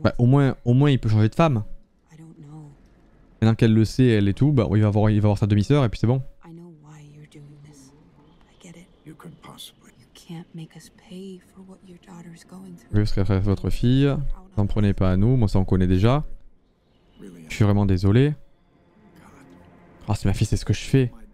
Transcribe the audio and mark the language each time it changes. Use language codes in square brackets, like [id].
[fr] Bah, au moins il peut changer de femme. Maintenant qu'elle le sait, elle et tout, bah il va voir sa demi-sœur et puis c'est bon. [en] I know why you're doing this. I get it. You couldn't possibly. You can't make us pay for what your daughter's going through. [fr] Oui, parce qu'elle reste votre fille. N'en prenez pas à nous, moi ça on connaît déjà. Je suis vraiment désolé. Ah, oh, c'est ma fille, c'est ce que je fais.